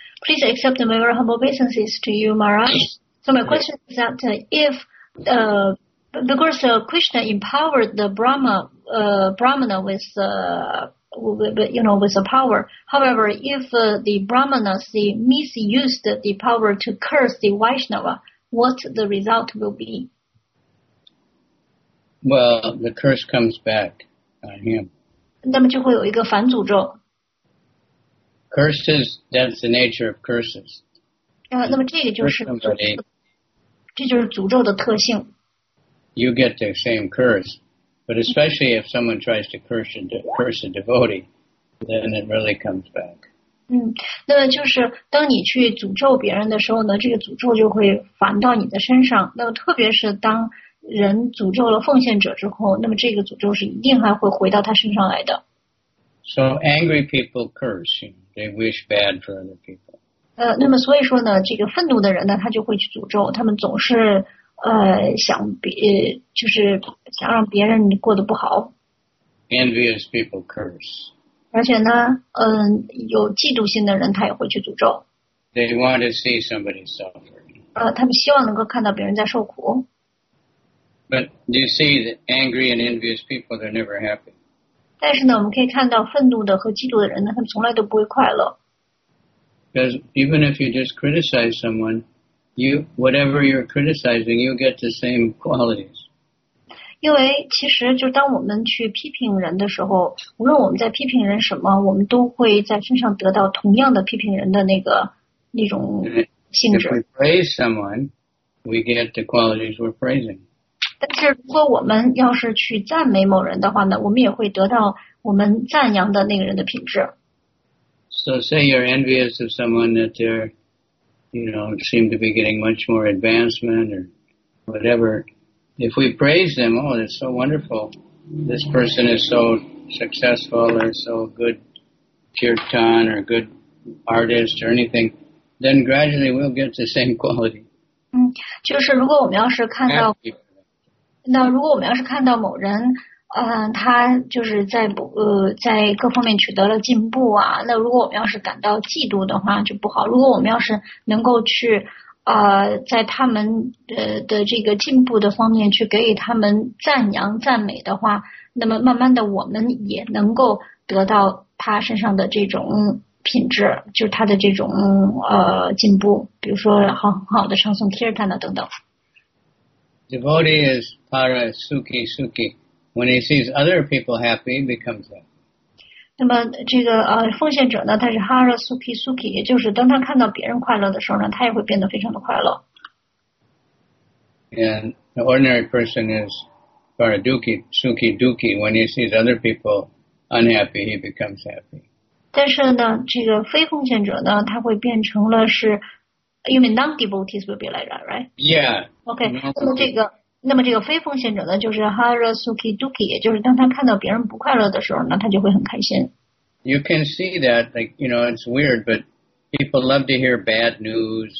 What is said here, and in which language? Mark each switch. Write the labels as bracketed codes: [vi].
[en] Please accept my very humble obeisances to you, Maharaj. So my question is that if, because Krishna empowered the Brahmana with the power. However, if the Brahmanas misused the power to curse the Vaishnava, what the result will be? Well, the curse comes back on him. [zh] 那么就会有一个反诅咒。 [en] Curses, that's the nature of curses. [zh] 那么这个就是 这就是诅咒的特性。 [en] You get the same curse, but especially if someone tries to curse a devotee, then it really comes back. [zh] 那么就是当你去诅咒别人的时候呢，这个诅咒就会反到你的身上。那么特别是当人诅咒了奉献者之后，那么这个诅咒是一定还会回到他身上来的。 [en] So angry people curse, you know, they wish bad for other people. [zh] 那么所以说呢，这个愤怒的人呢，他就会去诅咒，他们总是想就是想让别人过得不好。 [en] Envious people curse. [zh] 而且呢，有嫉妒心的人他也会去诅咒。 [en] They want to see somebody suffer. [zh] 他们希望能够看到别人在受苦。 [en] But do you see that angry and envious people, they're never happy. [zh] 但是呢，我们可以看到愤怒的和嫉妒的人呢，他们从来都不会快乐。 [en] Because even if you just criticize someone, you, whatever you're criticizing, you get the same qualities. [zh] 因为其实就当我们去批评人的时候，无论我们在批评人什么，我们都会在身上得到同样的批评人的那个那种性质。 [en] If we praise someone, we get the qualities we're praising. [zh] 但是如果我们要是去赞美某人的话呢，我们也会得到我们赞扬的那个人的品质。 [en] So say you're envious of someone that they're, you know, seem to be getting much more advancement or whatever. If we praise them, oh, that's so wonderful. This person is so successful or so good kirtan or good artist or anything, then gradually we'll get the same quality. [zh] 就是如果我们要是看到那如果我们要是看到某人他就是在各方面取得了进步啊，那如果我们要是感到嫉妒的话就不好。如果我们要是能够去在他们的这个进步的方面去给予他们赞扬赞美的话，那么慢慢的我们也能够得到他身上的这种品质，就是他的这种进步，比如说很好的唱诵kirtan的等等。 [en] Devotee is para suki suki. When he sees other people happy, he becomes that. [zh] 那么这个奉献者呢，他是 para suki suki， 也就是当他看到别人快乐的时候呢，他也会变得非常的快乐。 [en] And the ordinary person is para duki suki duki. When he sees other people unhappy, he becomes happy. [zh] 但是呢，这个非奉献者呢，他会变成了是。 [en] You mean non-devotees will be like that, right? Yeah. [zh] Okay. 那么这个非奉献者呢，就是 hara suki duki， 也就是当他看到别人不快乐的时候呢，他就会很开心。 [en] You can see that, like, you know, it's weird, but people love to hear bad news.